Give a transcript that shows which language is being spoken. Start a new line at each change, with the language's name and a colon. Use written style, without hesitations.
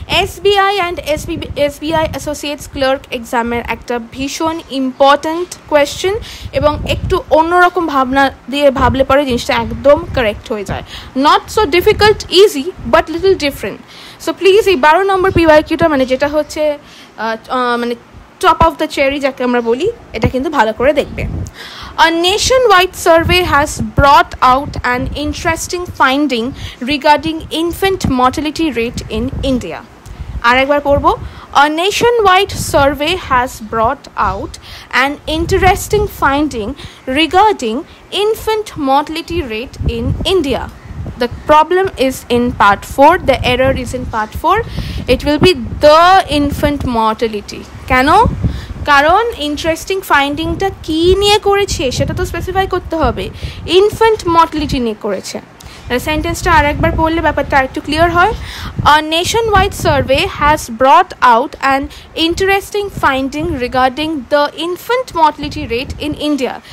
Bangla: SBI and SBI associates clerk এক্সামের একটা ভীষণ ইম্পর্ট্যান্ট কোয়েশ্চেন, এবং একটু অন্যরকম ভাবনা দিয়ে ভাবলে পরে জিনিসটা একদম কারেক্ট হয়ে যায়।
English: Not so difficult, easy, but little different.
Bangla: So please, এই 12 নম্বর PYQ-টা, মানে যেটা হচ্ছে মানে
English: top of the cherry
Bangla: যাকে আমরা বলি, এটা কিন্তু ভালো করে দেখবে।
English: A nationwide survey has brought out an interesting finding regarding infant mortality rate in India.
Bangla: আরেকবার পড়বো।
English: A nationwide survey has brought out an interesting finding regarding infant mortality rate in India. The problem is in part 4, the error is in part 4. It will be the infant mortality.
Bangla: কেন? কারণ interesting ফাইন্ডিংটা কী নিয়ে করেছে সেটা তো specify করতে হবে, infant mortality নিয়ে করেছে। সেন্টেন্সটা আরেকবার পড়লে ব্যাপারটা একটু ক্লিয়ার হয়।
English: A nation wide survey has brought out an interesting finding regarding the infant mortality rate in India.